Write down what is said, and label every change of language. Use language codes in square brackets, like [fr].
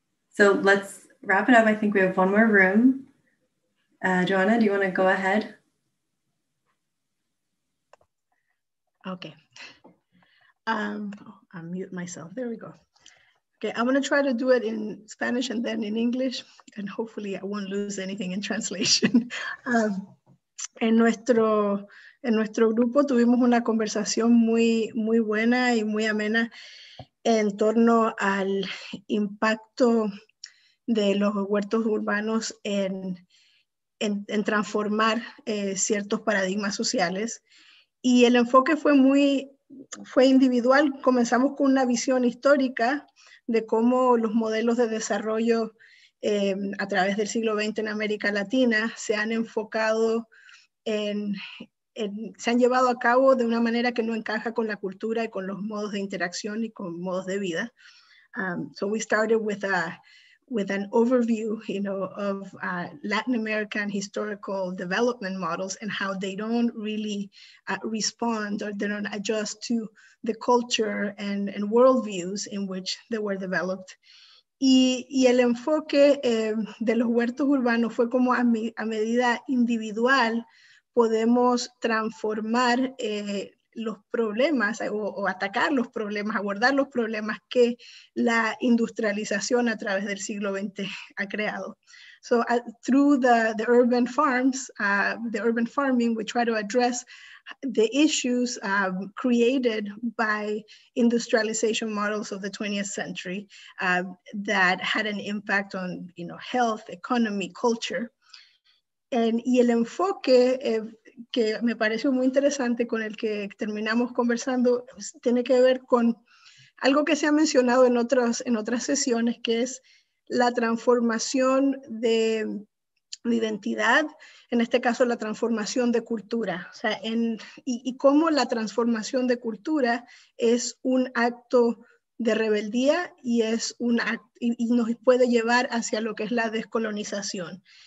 [en] So let's wrap it up. I think we have one more room. Joanna, do you wanna go ahead? Okay. I'll mute myself, there we go. Okay, I'm gonna try to do it in Spanish and then in English, and hopefully I won't lose anything in translation. [es] En nuestro grupo tuvimos una conversación muy, muy buena y muy amena en torno al impacto de los huertos urbanos en transformar ciertos paradigmas sociales y el enfoque fue muy fue individual. Comenzamos con una visión histórica de cómo los modelos de desarrollo a través del siglo XX en América Latina se han enfocado se han llevado a cabo de una manera que no encaja con la cultura y con los modos de interacción y con modos de vida. [en] So we started with an overview, you know, of Latin American historical development models and how they don't really respond or they don't adjust to the culture and worldviews in which they were developed. [es] Y el enfoque de los huertos urbanos fue como a medida individual podemos transformar los problemas o atacar los problemas, abordar los problemas que la industrialización a través del siglo XX ha creado. [en] So through the urban farms, the urban farming, we try to address the issues created by industrialization models of the 20th century that had an impact on, you know, health, economy, culture. [es] Y el enfoque que me pareció muy interesante con el que terminamos conversando tiene que ver con algo que se ha mencionado en otras sesiones, que es la transformación de identidad, en este caso la transformación de cultura, o sea, y cómo la transformación de cultura es un acto de rebeldía y es un acto y nos puede llevar hacia lo que es la descolonización.